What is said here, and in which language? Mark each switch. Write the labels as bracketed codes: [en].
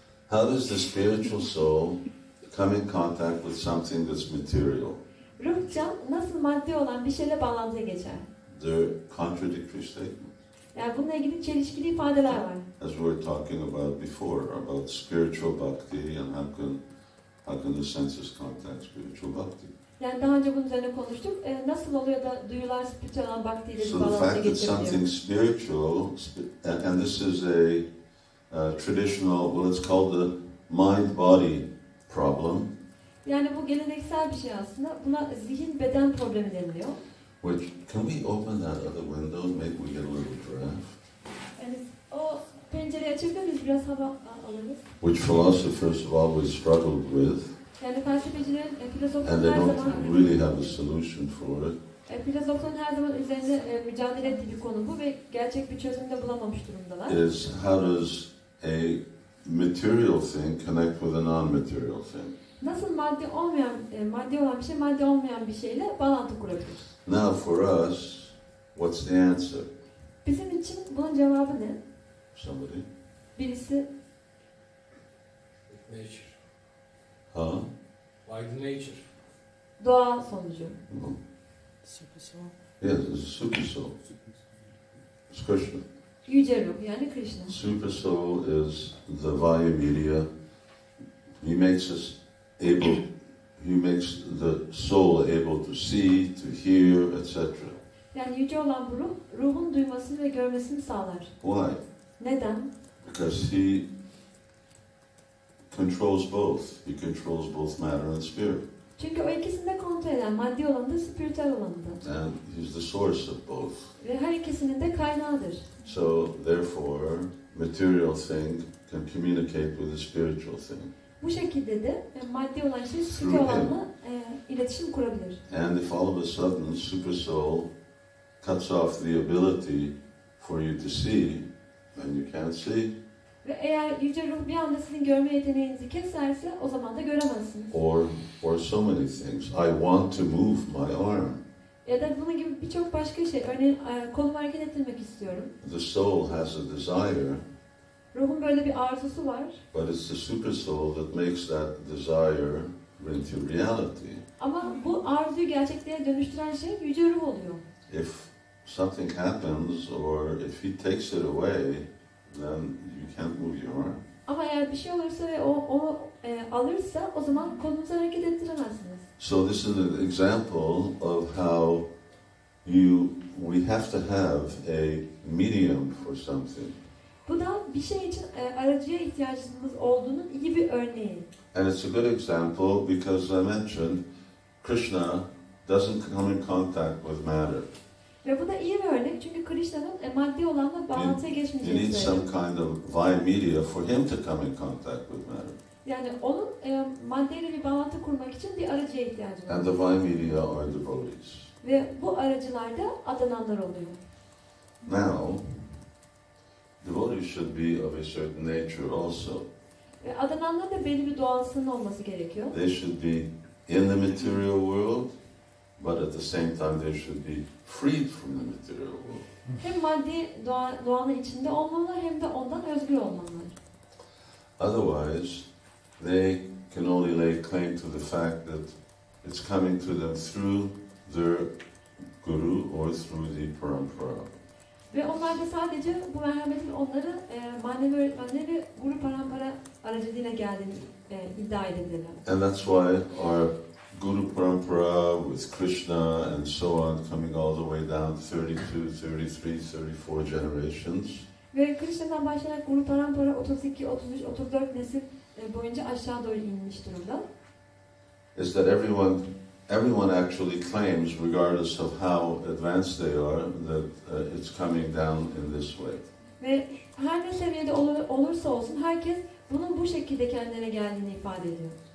[en] How does the spiritual soul come in contact with something that's material? [tr] Ruh can nasıl maddi olan bir şeyle bağlantıya geçer? [en] They're contradictory statements. [tr] Yani bununla ilgili çelişkili ifadeler var. [en] As we were talking about before, about spiritual bhakti and how can the senses contact spiritual bhakti. [tr] Yani daha önce bunun üzerine konuştuk. Nasıl oluyor da duyular spiritual olan bhakti ile bağlantıya geçiriliyor? [en] So the fact that something spiritual, and this is a traditional, well, it's called the mind-body problem. [tr] Yani bu geleneksel bir şey aslında. Buna zihin-beden problemi deniliyor. [en] Which, can we open that other window? Maybe we get a little draft. [tr] O pencereyi açabilir miyiz? Biraz hava alalım. [en] Which philosophers have always struggled with. [tr] Yani felsefeciler, filozoflar her zaman... [en] And they don't really have a solution for it. [tr] Filozofların her zaman üzerinde mücadele ettiği bir konu bu ve gerçek bir çözüm de bulamamış durumdalar. [en] Is how does a material thing connect with a non-material thing? [tr] Nasıl maddi olmayan, maddi olan bir şey, maddi olmayan bir şeyle bağlantı kurabilir? [en] Now for us, what's the answer? [tr] Bizim için bunun cevabı ne? [en] Somebody? [tr] Birisi. [en] With nature. Huh? By the nature. [tr] Doğa sonucu. [en] Super soul. Yes, it's a super soul. It's Krishna. [tr] Yüce ruh, yani Krishna. [en] Super soul is the vayu media. He makes us able. He makes the soul able to see, to hear, etc. [tr] Yani yüce olan bu ruh, ruhun duymasını ve görmesini sağlar. [en] Why? [tr] Neden? [en] Because he controls both. He controls both matter and spirit. [tr] Çünkü o ikisini de kontrol eden, maddi olanı da, spiritüel olanı da. [en] And he's the source of both. [tr] Ve her ikisinin de kaynağıdır. [en] So, therefore, material thing can communicate with the spiritual thing. [tr] Bu şekilde de maddi olan şey spiritüel olanla iletişim kurabilir. [en] And if all of a sudden super soul cuts off the ability for you to see, then you can't see. [tr] Ve eğer yüce ruh bir anda sizin görme yeteneğinizi keserse, o zaman da göremezsiniz. [en] Or so many things. I want to move my arm. [tr] Ya da bunun gibi birçok başka şey. Örneğin kolumu hareket ettirmek istiyorum. [en] The soul has a desire. [tr] Ruhun böyle bir arzusu var. [en] But it's the super soul that makes that desire into reality. [tr] Ama bu arzuyu gerçekliğe dönüştüren şey yüce ruh oluyor. [en] If something happens or if he takes it away, then you can't move your arm. [tr] Ama eğer bir şey olursa ve o alırsa, o zaman kolunuzu hareket ettiremezsiniz. [en] So this is an example of how we have to have a medium for something. [tr] Bu da bir şey için aracıya ihtiyacımız olduğunun iyi bir örneği. [en] And it's a good example because I mentioned Krishna doesn't come in contact with matter. [tr] Ve bu da iyi bir örnek çünkü Krishna'nın maddi olanla bağlantıya geçmeyeceğini söylüyor. [en] You need some kind of via media for him to come in contact with matter. [tr] Yani onun maddeyle bir bağlantı kurmak için bir aracıya ihtiyacı var. [en] And the via media are devotees. [tr] Ve bu aracılar da adananlar oluyor. [en] Now, devotees should be of a certain nature also. [tr] Adananlar da belli bir doğasının olması gerekiyor. [en] They should be in the material world, but at the same time they should be freed from the material world. [tr] Hem maddi doğanın içinde olmalı hem de ondan özgür olmalı. [en] Otherwise, they can only lay claim to the fact that it's coming to them through their guru or through the parampara. [tr] Ve onlar da sadece bu merhametin onları manevi guru parampara aracılığıyla geldiğini iddia edildiler. [en] And that's why our guru parampara with Krishna and so on coming all the way down 32, 33, 34 generations. [tr] Ve Krishna'dan başlayarak guru parampara 32, 33, 34 nesil boyunca aşağı doğru inmiş durumda. [en] Is that everyone actually claims, regardless of how advanced they are, that it's coming down in this way. [tr] Ve her ne seviyede olursa olsun herkes bunun bu şekilde kendine geldiğini ifade ediyor.